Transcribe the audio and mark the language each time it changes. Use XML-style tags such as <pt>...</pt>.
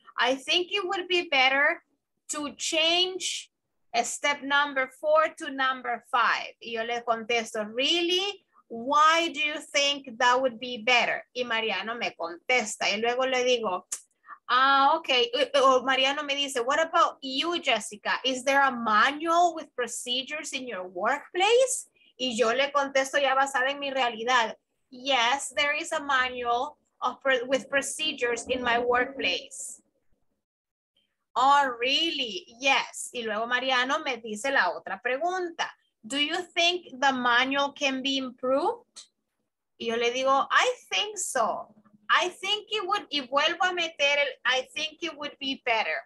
<en>I think it would be better to change step number 4 to number 5.</en> <es>Y yo le contesto,</es> <en>really? Why do you think that would be better?</en> <es>Y Mariano me contesta. Y luego le digo, ah, okay. O Mariano me dice,</es> <en>what about you, Jessica? Is there a manual with procedures in your workplace?</en> <es>Y yo le contesto ya basada en mi realidad.</es> <en>Yes, there is a manual with procedures in my workplace. Oh, really? Yes.</en> <es>Y luego Mariano me dice la otra pregunta.</es> <en>Do you think the manual can be improved?</en> <es>Y yo le digo,</es> <en>I think so. I think it would,</en> <es>y vuelvo a meter el,</es> <en>I think it would be better.</en>